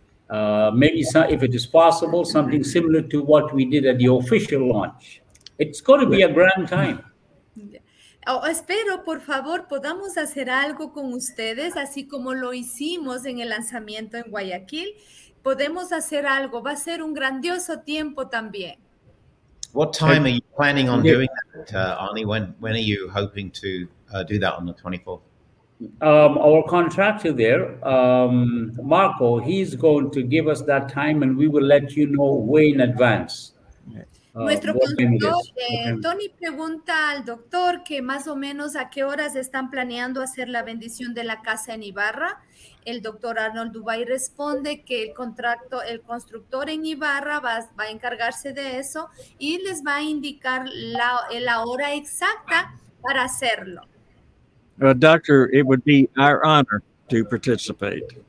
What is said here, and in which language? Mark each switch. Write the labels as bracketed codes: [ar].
[en] If it is possible, something similar to what we did at the official launch. It's going to be a grand time. [es] Espero, por favor, podamos hacer algo con ustedes, así como lo hicimos en el lanzamiento en Guayaquil. Podemos hacer algo. Va a ser un grandioso tiempo también. [en] What time are you planning on doing that, Arnie? When are you hoping to do that on the 24th? our contractor there, Marco, he's going to give us that time and we will let you know way in advance. [es] Nuestro consultor, Tony, pregunta al doctor que más o menos a qué horas están planeando hacer la bendición de la casa en Ibarra. El doctor Arnold Doobay responde que el constructor en Ibarra va a encargarse de eso y les va a indicar la hora exacta para hacerlo. [en] Well, doctor, it would be our honor to participate.